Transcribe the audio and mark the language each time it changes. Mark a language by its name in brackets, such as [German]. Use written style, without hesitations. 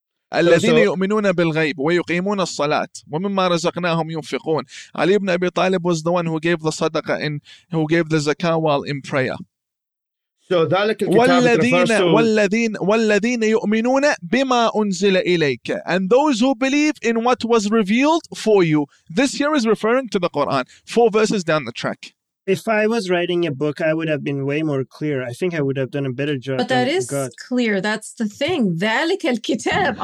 [Arabic] الذين يؤمنون بالغيب ويقيمون الصلاة ومما رزقناهم ينفقون. [English] Ali ibn Abi Talib was the one who gave the sadaqah and who gave the zakah while in prayer. So [Arabic] ذلك الكتاب والذين يؤمنون بما أنزل إليك. [English] And those who believe in what was revealed for you. This here is referring to the Quran. Four verses down the track. If I was writing a book, I would have been way more clear. I think I would have done a better job. But that is clear. That's the thing. [Arabic] ذلك الكتاب.